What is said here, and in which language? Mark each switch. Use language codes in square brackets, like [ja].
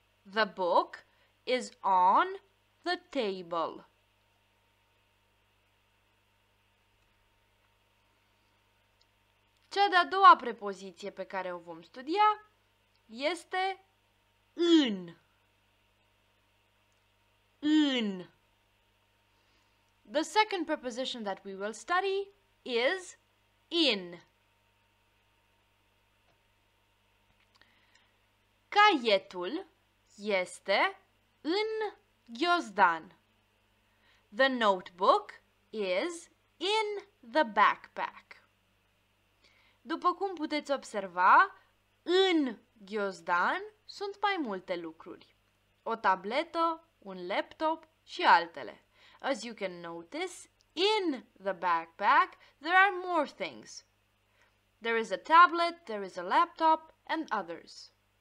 [en] The book is on the table. [ro] Cea de-a doua prepoziție pe care o vom studia este în. În. [en] The second preposition that we will study is in. [ro] Caietul este în ghiozdan. [en] The notebook is in the backpack. [ro] După cum puteți observa, în ghiozdan sunt mai multe lucruri. O tabletă, un laptop și altele. [en] As you can notice, in the backpack, there are more things. There is a tablet, there is a laptop and others.